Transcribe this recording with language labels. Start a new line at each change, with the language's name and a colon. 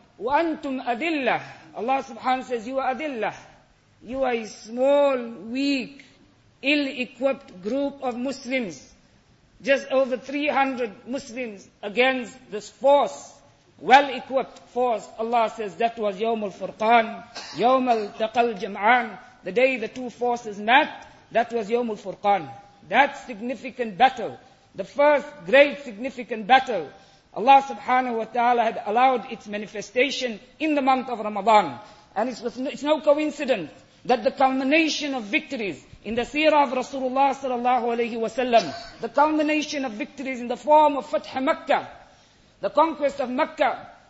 Arabic: وَأَنْتُمْ أَذِلَّهُ.
English: Allah subhanahu wa ta'ala says, you are adillah. You are a small, weak, ill-equipped group of Muslims. Just over 300 Muslims against this force, well-equipped force. Allah says that was
Arabic: يَوْمُ الْفُرْقَانِ يَوْمَ الْتَقَلْ جَمْعَانِ.
English: The day the two forces met, that was
Arabic: يَوْمُ الْفُرْقَانِ.
English: That significant battle, the first great significant battle, Allah subhanahu wa ta'ala had allowed its manifestation in the month of Ramadan. And it's no coincidence that the culmination of victories in the seerah of Rasulullah sallallahu alayhi wa sallam, the culmination of victories in the form of Fath Makkah, the conquest of Makkah.